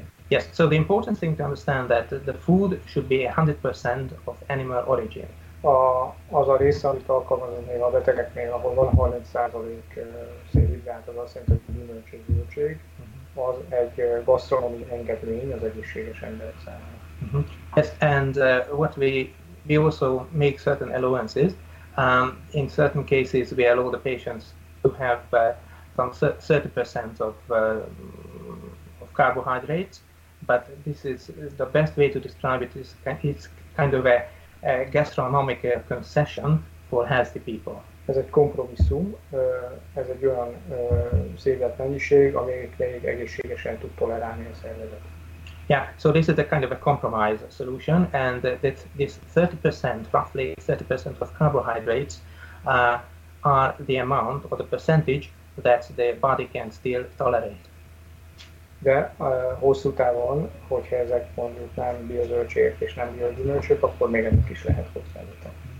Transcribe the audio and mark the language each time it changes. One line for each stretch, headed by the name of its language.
English: Yes, so the important thing to understand that the food should be 100% of animal origin.
Hungarian: Az a része, amit alkalmazunk a betegeknél, ahol van 30% szénhidrát, az azt jelenti, hogy gyümölcsök, az egy gasztronómiai engedmény az egészséges emberek számára.
English: Yes, and what we also make certain allowances. In certain cases, we allow the patients to have some 30% of carbohydrates, but this is the best way to describe it. It's kind of a gastronomic concession for healthy people.
Hungarian: Ez egy kompromisszum, ez egy olyan szervezet mennyiség, amelyet még egészségesen tud tolerálni a szervezet.
English: Yeah, so this is a kind of a compromise solution, and that this 30%, roughly 30% of carbohydrates are the amount or the percentage that the body can still tolerate.
Hungarian: De hosszú távon, hogyha ezek mondjuk nem biozöldségek és nem biogyümölcsök, akkor még ennek is lehet kockázata.